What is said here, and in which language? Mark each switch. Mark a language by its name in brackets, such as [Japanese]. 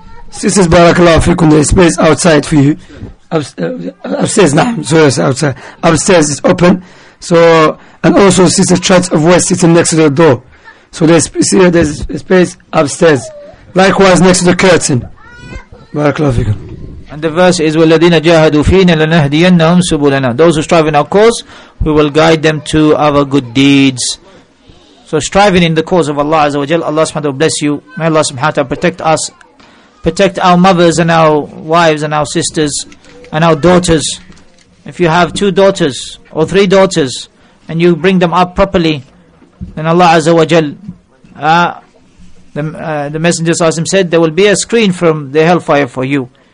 [English] Sisters, barakallahu fikum, there is space outside for you. Upstairs, nah, so yes, outside. Upstairs is open. So, and also, sister, try to avoid sitting next to the door. So there's space upstairs. Likewise, next to the curtain. Barakallahu fikum. And the verse is, [Arabic] وَالَّذِينَ جَاهَدُوا فِينَ لَنَهْدِيَنَّهُمْ سُبُلَنَا. [English] Those who strive in our cause, we will guide them to our good deeds. So striving in the cause of Allah Azza wa Jal, Allah subhanahu wa ta'ala bless you. May Allah subhanahu wa ta'ala protect us, protect our mothers and our wives and our sisters and our daughters. If you have two daughters or three daughters and you bring them up properly, then Allah Azza wa Jal, the Messenger Sallallahu Alaihi Wasallam said, there will be a screen from the hellfire for you.